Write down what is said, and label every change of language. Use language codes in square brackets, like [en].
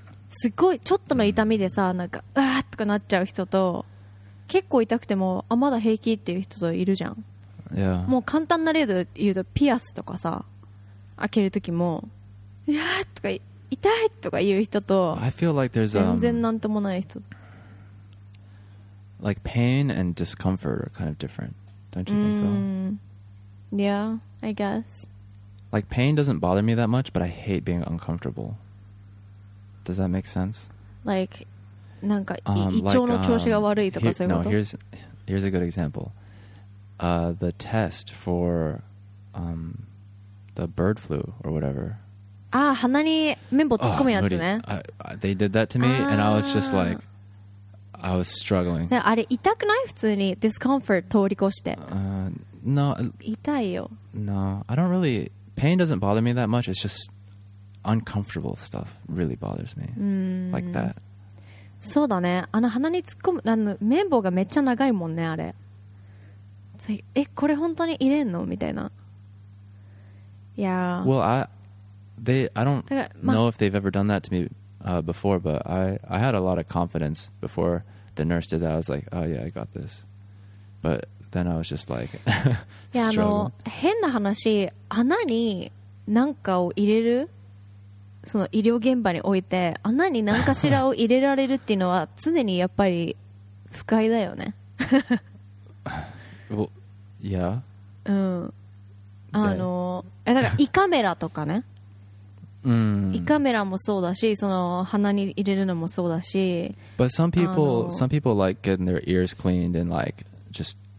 [ja] すごい、ちょっとの痛みでさ、なんか、うわーっとかなっちゃう人と、結構痛くても、あ、まだ平気っていう人といるじゃん。 [en] Yeah. [ja] もう簡単な例で言うと、ピアスとかさ、開ける時もいやーとか痛いとか言う人と全然なんともない人、 [en] like pain and discomfort are kind of different, don't you think so? Yeah, I guess. Like pain doesn't bother me that much, but I hate being uncomfortable. Does that make sense? Like, [ja] なんか胃腸の調子が悪いとかそういうこと。 [en] No, here's a good example. The test for the bird flu or whatever. [ja] Ah, 鼻に綿棒突っ込むやつね。 [en] They did that to me, and I was just like, I was struggling. [ja] あれ痛くない普通に discomfort 通り越して。 [en] No. [ja] 痛いよ。 [en] No, I don't really. Pain doesn't bother me that much. It's just uncomfortable stuff really bothers me. Like that. [ja] そうだね。あの鼻に突っ込む、あの綿棒がめっちゃ長いもんねあれ。え、これ本当に入れんの? みたいな。Yeah. [en] Well, I don't know if they've ever done that to me before, but I had a lot of confidence before the nurse did that. I was like, oh yeah, I got this. But then I was just like, yeah, struggling. [ja] 変な話、穴に何かを入れる、その医療現場において穴に何かしらを入れられるっていうのは常にやっぱり不快だよね。 [en] Well, yeah. [ja] うん。か胃カメラとかね、胃カメラもそうだし、その鼻に入れるのもそうだし、 [en] But some people like getting their ears cleaned and like just.